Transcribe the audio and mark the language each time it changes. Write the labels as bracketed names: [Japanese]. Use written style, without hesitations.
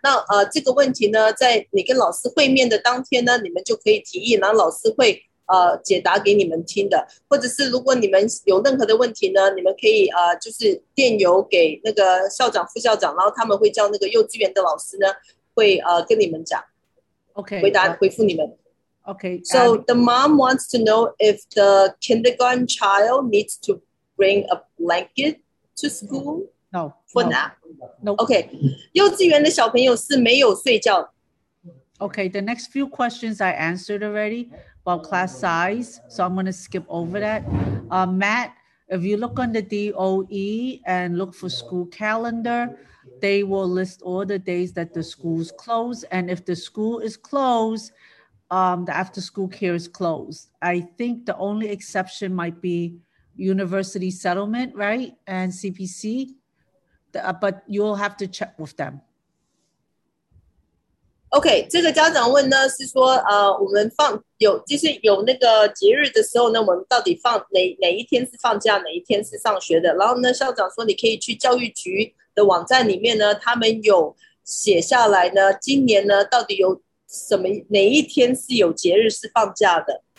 [Chinese] 那这个问题呢，在你跟老师会面的当天呢，你们就可以提议，然后老师会解答给你们听的。或者是如果你们有任何的问题呢，你们可以就是电邮给那个校长、副校长，然后他们会叫那个幼稚园的老师呢，会跟你们讲。 OK，回答回复你们。 OK， [English] so the mom wants to know if the kindergarten child needs to bring a blanket to school. No, for no, now. No. [Chinese] OK， 幼稚园的小朋友是没有睡觉。 [English] OK， the next few questions I answered already about class size, so I'm going to skip over that. Matt, if you look on the DOE and look for school calendar, they will list all the days that the schools close. And if the school is closed, the after school care is closed. I think the only exception might be university settlement, right? And CPC, but you'll have to check with them. [Chinese] OK, 这个家长问呢是说我们放有就是有那个节日的时候呢，我们到底放 哪一天是放假，哪一天是上学的。然后呢校长说你可以去教育局的网站里面呢，他们有写下来呢，今年呢到底有什么哪一天是有节日是放假的。